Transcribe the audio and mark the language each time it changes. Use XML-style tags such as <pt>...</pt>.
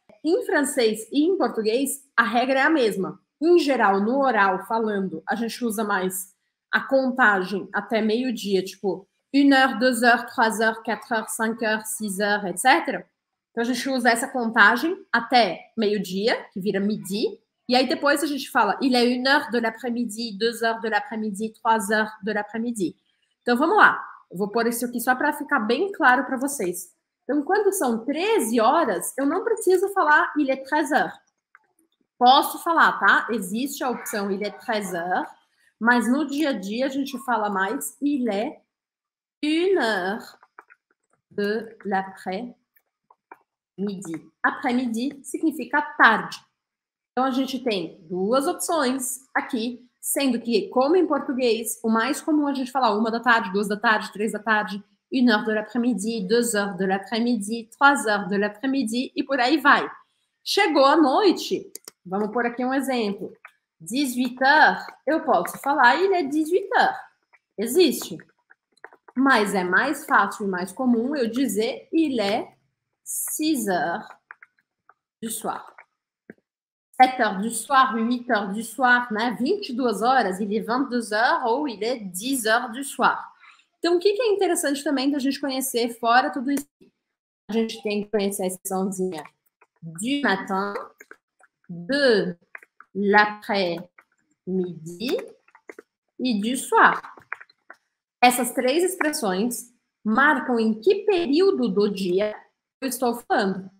<pt>Em francês e em português, a regra é a mesma. Em geral, no oral, falando, a gente usa mais a contagem até meio-dia, tipo 1 hora, 2 horas, 3 horas, 4 horas, 5 horas, 6 horas, etc. Então, a gente usa essa contagem até meio-dia, que vira midi. E aí, depois, a gente fala,</pt> <fr>il est 1 heure de l'après-midi, 2 heures de l'après-midi, 3 heures de l'après-midi.</fr> <pt>Então, vamos lá. Eu vou pôr isso aqui só para ficar bem claro para vocês. Então, quando são 13 horas, eu não preciso falar,</pt> <fr>il est 13 heures.</fr> <pt>Posso falar, tá? Existe a opção,</pt> <fr>il est 13 heures.</fr> <pt>Mas, no dia a dia, a gente fala mais,</pt> <fr>il est 1 heure de l'après-midi.</fr> <pt>Midi. Après-midi significa tarde. Então a gente tem duas opções aqui, sendo que, como em português, o mais comum é a gente falar 1 da tarde, 2 da tarde, 3 da tarde,</pt> <fr>1 heure de l'après-midi, 2 heures de l'après-midi, 3 heures de l'après-midi,</fr> <pt>e por aí vai. Chegou a noite, vamos pôr aqui um exemplo. 18 heures, eu posso falar,</pt> <fr>il est 18 heures.</fr> <pt>Existe. Mas é mais fácil e mais comum eu dizer,</pt> <fr>il est 6 heures du soir. 7 heures du soir, 8 heures du soir,</fr> <pt>né? 22 horas,</pt> <fr>il est 22 heures ou il est 10 heures du soir.</fr> <pt>Então, o que que é interessante também da gente conhecer fora tudo isso? A gente tem que conhecer a expressãozinha du matin, de l'après-midi e du soir. Essas três expressões marcam em que período do dia eu estou falando.</pt>